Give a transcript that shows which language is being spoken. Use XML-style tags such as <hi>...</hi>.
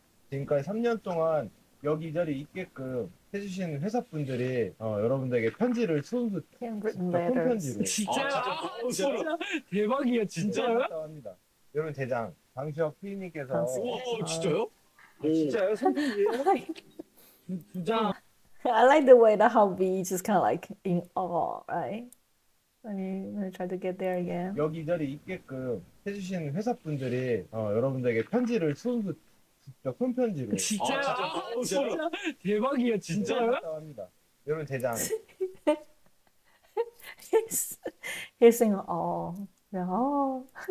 <ko>지금까지 3년 동안 여기 이 자리에 있게끔 해주신 회사분들이 여러분들에게 편지를 손수 손편지로 진짜요? 진짜? 대박이야 진짜요? 감사합니다. 여러분 대장 방시혁 PD님께서 진짜요? 진짜요? 손편지예요? 주장</ko> <en>I like the way that how we just kind of like in awe, right? Let me try to get there again.</en> <ko>여기 자리에 있게끔 해주신 회사분들이 여러분들에게 편지를 손수 직접 손편지로 진짜요? 진짜요? 대박이야 진짜요? 감사합니다. 여러분 대장</ko> <en>He's in awe. No.</en>